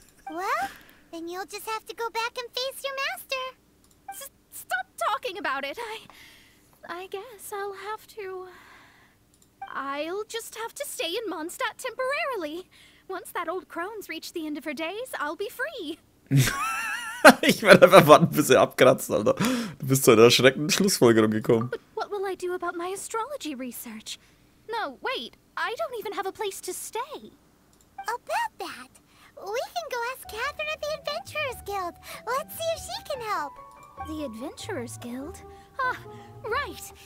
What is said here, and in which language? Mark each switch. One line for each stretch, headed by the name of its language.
English: Well, then you'll just have to go back and face your master. Stop talking about it. I guess I'll have to... I'll just have to stay in Mondstadt temporarily. Once that old crone's reached the end of her days, I'll be free.
German: Ich werde einfach warten, bis er abkratzt, Alter. Du bist zu einer erschreckenden Schlussfolgerung gekommen.
English: But what will I do about my astrology research? No, wait. I don't even have a place to stay. About that. We can go ask Catherine at the Adventurers Guild. Let's see if she can help. The Adventurers Guild? Ah, right.